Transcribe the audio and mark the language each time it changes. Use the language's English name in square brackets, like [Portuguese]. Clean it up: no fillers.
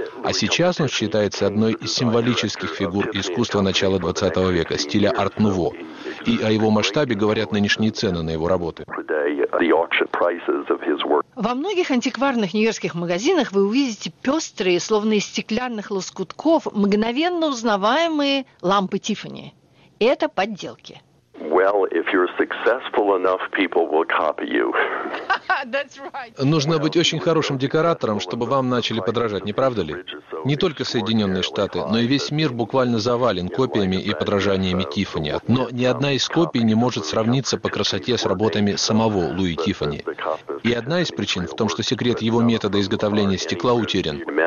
[Russian] А сейчас он считается одной из символических фигур искусства начала 20 века, стиля арт-нуво. И о его масштабе говорят нынешние цены на его работы. Во многих антикварных нью-йоркских магазинах вы увидите пестрые, словно из стеклянных лоскутков, мгновенно узнаваемые лампы Тиффани. Это подделки. [English] Well, if you're successful enough, people will copy you. [Russian] Нужно быть очень хорошим декоратором, чтобы вам начали подражать, не правда ли? Не только Соединенные Штаты, но и весь мир буквально завален копиями и подражаниями Тиффани. Но ни одна из копий не может сравниться по красоте с работами самого Луи Тиффани. И одна из причин в том, что секрет его метода изготовления стекла утерян.